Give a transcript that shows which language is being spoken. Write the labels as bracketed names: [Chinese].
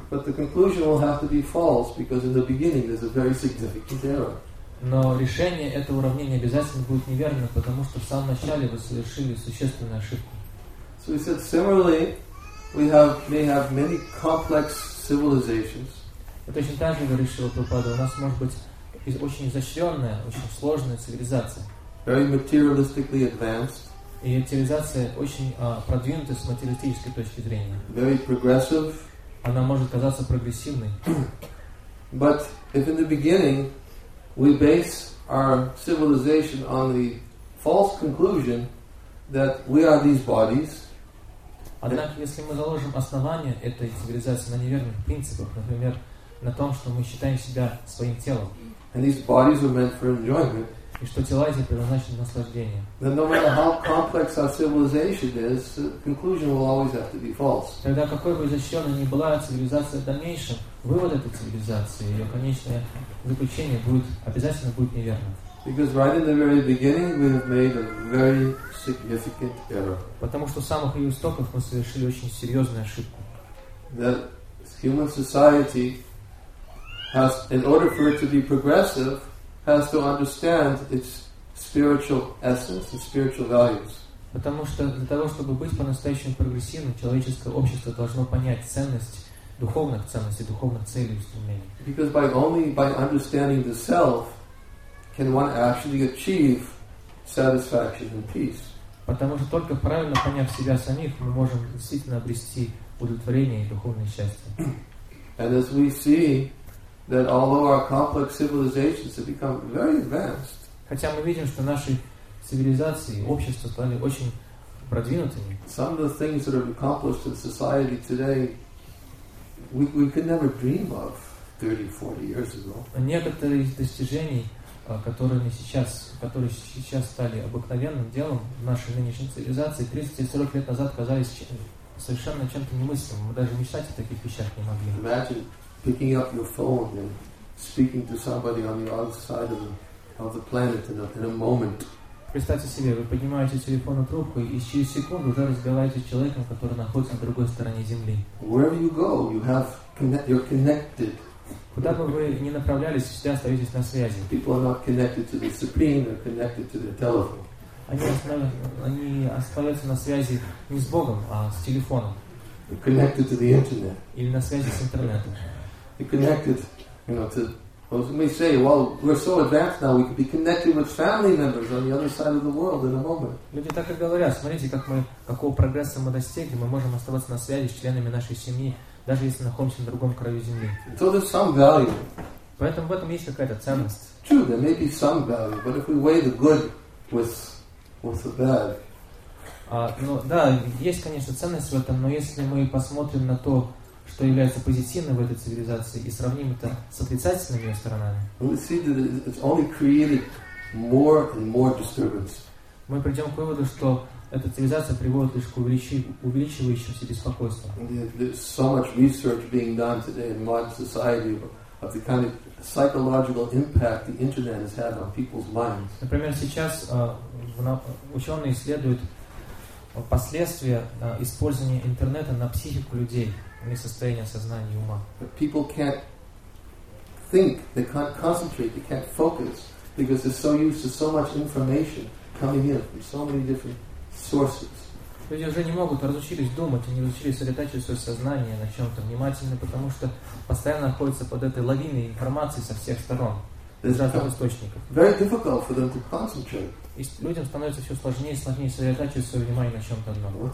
[English] But the conclusion will have to be false because in the beginning there's a very significant error. [Russian] Но решение этого уравнения обязательно будет неверным, потому что в самом начале вы совершили существенную ошибку. [English] So he said, similarly, we may have many complex civilizations. [Russian] Точно так же, говорит Шрила Прабхупада, у нас может быть очень изощренная, очень сложная цивилизация. [English] Very materialistically advanced. [Russian] И цивилизация очень продвинутая с материалистической точки зрения. [English] Very progressive. [Russian] Она может казаться прогрессивной. [English] But if in the beginning we base our civilization on the false conclusion that we are these bodies. [Russian] Однако, если мы заложим основание этой цивилизации на неверных принципах, например, на том, что мы считаем себя своим телом, [English] and these bodies are meant for enjoyment, [Russian] и что тела эти предназначены наслаждение. [English] Then no matter how complex our civilization is, the conclusion will always have to be false. [Russian] Тогда какой бы изощренной ни была цивилизация в дальнейшем, вывод этой цивилизации, ее конечное заключение будет обязательно будет неверным. [English] Because right in the very beginning we have made a very significant error. [Russian] Потому что с самых ее истоков мы совершили очень серьезную ошибку. [English] That human society has, in order for it to be progressive, has to understand its spiritual essence, its spiritual values. [Russian] Потому что для того, чтобы быть по-настоящему прогрессивным, человеческое общество должно понять ценность духовных ценностей, духовных целей и устремлений. [English] Because by only by understanding the self can one actually achieve satisfaction and peace. [Russian] Потому что только правильно поняв себя самих, мы можем действительно обрести удовлетворение и духовное счастье. [English] And as we see that although our complex civilizations have become very advanced, [Russian] хотя мы видим, что наши цивилизации, общества стали очень продвинутыми, [English] some of the things that are accomplished in society today we could never dream of 30-40 years ago. [Russian] Некоторые из достижений, которые сейчас стали обыкновенным делом в нашей нынешней цивилизации, 30-40 лет назад казались совершенно чем-то немыслимым. Мы даже мечтать о таких вещах не могли. [English] Picking up your phone and speaking to somebody on the other side of the planet in a moment. [Russian] Представьте себе, вы поднимаете телефонную трубку и через секунду уже разговариваете с человеком, который находится на другой стороне Земли. [English] Wherever you go, you have you're connected. [Russian] Куда бы вы ни направлялись, всегда остаетесь на связи. [English] People are not connected to the Supreme, they're connected to their telephone. [Russian] Они остаются на связи не с Богом, а с телефоном. [English] They're connected to the internet. [Russian] Или на связи с интернетом. [English] You're connected, we may say, well, we're so advanced now, we could be connected with family members on the other side of the world in a moment. [Russian] Люди так и говорят, смотрите, какого прогресса мы достигли, мы можем оставаться на связи с членами нашей семьи, даже если находимся на другом краю земли. [English] So there's some value. [Russian] Поэтому в этом есть какая-то ценность. [English] True, there may be some value, but if we weigh the good with the bad. [Russian] Да, есть, конечно, ценность в этом, но если мы посмотрим на то, что является позитивным в этой цивилизации и сравним это с отрицательными ее сторонами, мы придем к выводу, что эта цивилизация приводит лишь к увеличивающимся беспокойствам. [English] There's so much research being done today in modern society of the kind of psychological impact the internet has had on people's minds. [Russian] Например, сейчас ученые исследуют последствия использования интернета на психику людей. Состояние сознания и ума. [English] But people can't think, they can't concentrate, they can't focus because they're so used to so much information coming in from so many different sources. [Russian] Люди уже не могут, разучились думать, они разучились сосредоточить свое сознание на чем-то внимательно, потому что постоянно находятся под этой лавиной информации со всех сторон, из разных источников. [English] Very difficult for them to concentrate. [Russian] И людям становится все сложнее и сложнее сосредоточить свое внимание на чем-то одном.